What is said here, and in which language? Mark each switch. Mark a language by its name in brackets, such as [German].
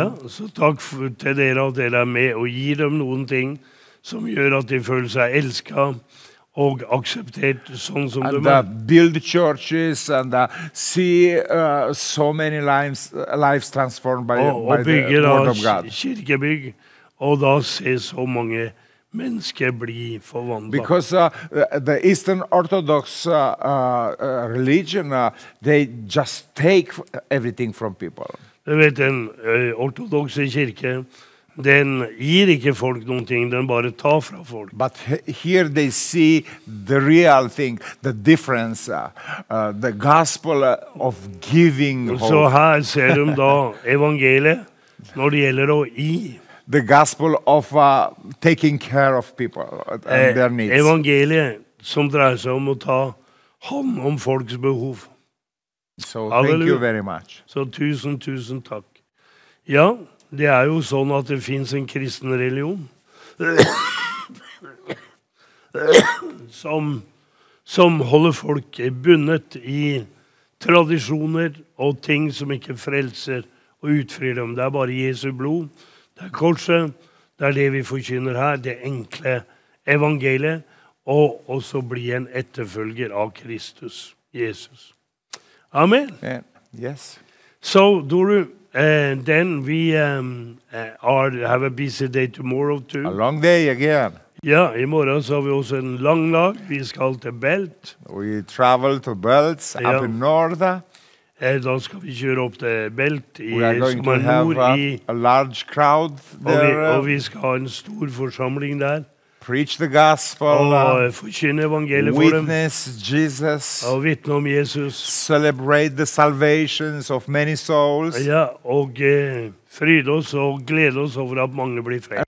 [Norwegian] Ja, så takk til dere at dere er med og gir dem noen ting som gjør at de føler seg elsket og akseptert sånn som [English] and, [Norwegian] de er. [English] Build churches and see so many lives transformed by the word of God. [Norwegian] Kirkebygg, og da se så mange mennesker bli forvandlet. [English] Because the Eastern Orthodox religion, they just take everything from people. [Norwegian] Du vet, den ortodoxe kirke, den gir ikke folk noen ting, den bare tar fra folk. [English] But here they see the real thing, the difference, the gospel of giving hope. [Norwegian] Så her ser de da evangeliet når det gjelder å gi. [English] The gospel of taking care of people and their needs. [Norwegian] Evangeliet som dreier seg om å ta hånd om folks behov. [English] So Halleluja. Thank you very much. [Norwegian] Så tusen, tusen takk. Ja, det er jo sånn at det finnes en kristen religion som holder folk bundet i tradisjoner og ting som ikke frelser og utfrir dem. Det er bare Jesu blod, det er korset, det er det vi forkynner her, det enkle evangeliet, og også bli en etterfølger av Kristus, Jesus. Amen. [English] Yes. Så, Doru, and then we have a busy day tomorrow too. A long day again. [Norwegian] Yeah, i morgen så har vi også en lang dag. Vi skal til Belt. [English] We travel to Belt up in north. [Norwegian] Da skal vi kjøre opp til Belt. [English] We are going to have a large crowd there. [Norwegian] Og vi skal ha en stor forsamling der. [English] Preach the gospel. [Norwegian] Og forkynne evangeliet for dem. [English] Witness Jesus. [Norwegian] Og vitne om Jesus. [English] Celebrate the salvations of many souls. [Norwegian] Ja, og fryde oss og glede oss over at mange blir frelst.